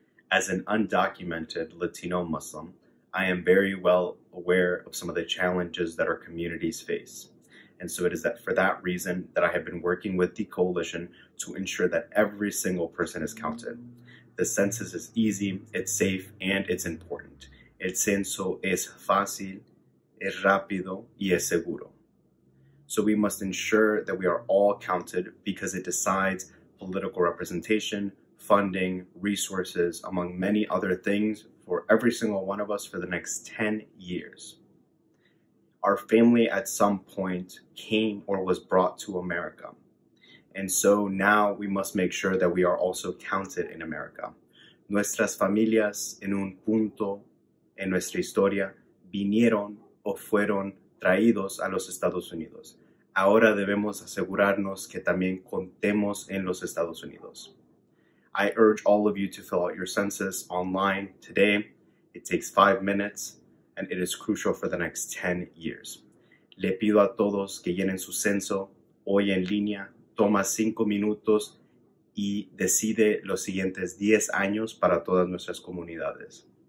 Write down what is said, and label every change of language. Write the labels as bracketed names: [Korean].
[English] As an undocumented Latino Muslim, I am very well aware of some of the challenges that our communities face. And so it is that for that reason that I have been working with the coalition to ensure that every single person is counted. The census is easy, it's safe, and it's important. [Spanish] El censo es fácil, es rápido, y es seguro. [English] So we must ensure that we are all counted because it decides political representation, funding, resources, among many other things for every single one of us for the next 10 years. Our family at some point came or was brought to America. And so now we must make sure that we are also counted in America. [Spanish] Nuestras familias en un punto en nuestra historia vinieron o fueron traídos a los Estados Unidos. Ahora debemos asegurarnos que también contemos en los Estados Unidos. [English] I urge all of you to fill out your census online today. It takes 5 minutes, and it is crucial for the next 10 years. [Spanish] Le pido a todos que llenen su censo hoy en línea. Toma 5 minutos y decide los siguientes 10 años para todas nuestras comunidades.